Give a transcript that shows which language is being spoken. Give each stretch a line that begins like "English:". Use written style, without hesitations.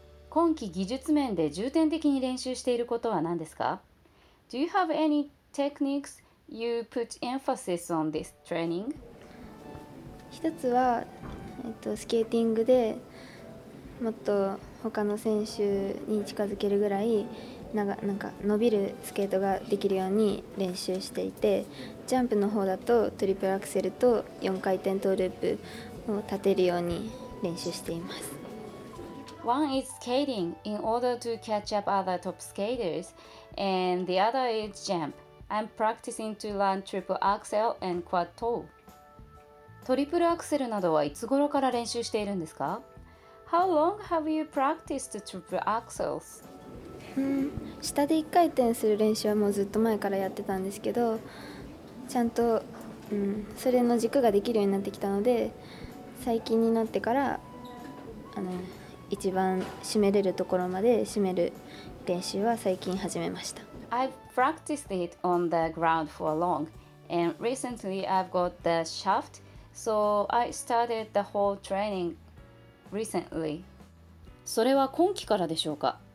Japanese: 今期技術面で重点的に練習していることは何ですか?
English: Do you have any techniques you put emphasis on this training?
Japanese: 一つは、スケーティングでもっと他の選手に近づけるぐらいなんか伸びるスケートができるように練習していて、ジャンプの方だとトリプルアクセルと4回転トーループを立てるように練習しています。
English: One is skating in order to catch up other top skaters and the other is jump. I'm practicing to learn triple axel and quad toe.
Japanese: トリプルアクセルなどはいつ頃から練習しているんですか?
English: How long have you practiced triple axels?
Japanese: 下で1回転する練習はもうずっと前からやってたんですけど、ちゃんと、それの軸ができるようになってきたので、最近になってから一番締めれるところまで締める練習は最近始めました。
English: I've practiced it on the ground for long and recently I've got the shaft, so I started the whole training recently.
Japanese: それは今期からでしょうか?